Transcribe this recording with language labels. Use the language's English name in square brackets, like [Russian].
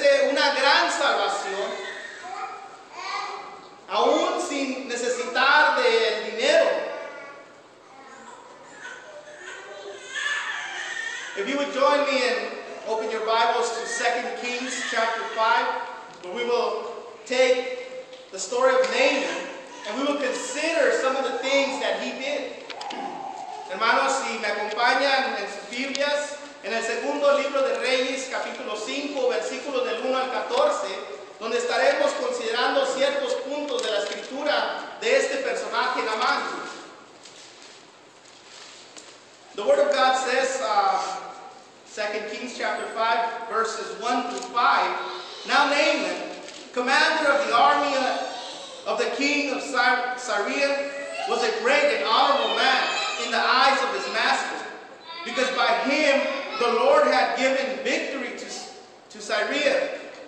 [Spanish] una gran salvación, aún sin necesitar del dinero. [English] If you would join me and open your Bibles to 2 Kings chapter 5, we will take the story of Naaman and we will consider some of the things that he did. [Spanish] Hermanos, si me acompañan en sus Biblias, en el segundo libro de Reyes, capítulo 5, versículos del 1 al 14, donde estaremos considerando ciertos puntos de la escritura de este personaje, Naaman. [English] The Word of God says, 2 Kings chapter 5, verses 1 through 5, "Now Naaman, commander of the army of the king of Syria, was a great and honorable man in the eyes of his master, because by him the Lord had given victory to Syria.